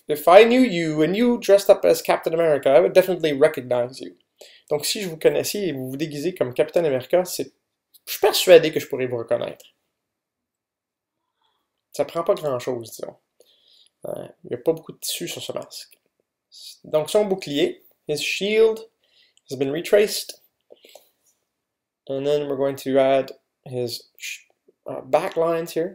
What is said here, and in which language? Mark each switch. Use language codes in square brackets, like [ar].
[en] If I knew you and you dressed up as Captain America, I would definitely recognize you. [fr] Donc, si je vous connaissais et vous vous déguisez comme Capitaine America, c'est je suis persuadé que je pourrais vous reconnaître. Ça prend pas grand-chose, disons. Il n'y a pas beaucoup de tissu sur ce masque. Donc, son bouclier, [en] his shield, has been retraced. And then we're going to add his back lines here.